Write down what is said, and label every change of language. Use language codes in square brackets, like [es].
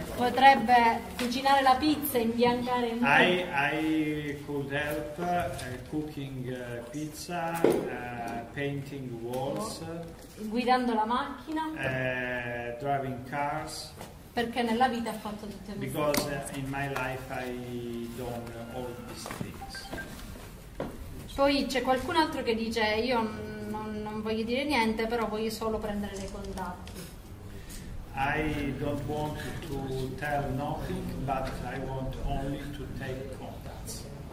[it] potrebbe cucinare la pizza, imbiancare il mondo. [en] I could help cooking pizza, painting walls, [it] guidando la macchina, [en] driving cars, [it] perché nella vita ha fatto tutte queste cose. [en] Because in my life I done all these things. [it] Poi c'è qualcun altro che dice io non voglio dire niente, però voglio solo prendere dei contatti. [en] I don't want to tell nothing, but I want only to take contacts.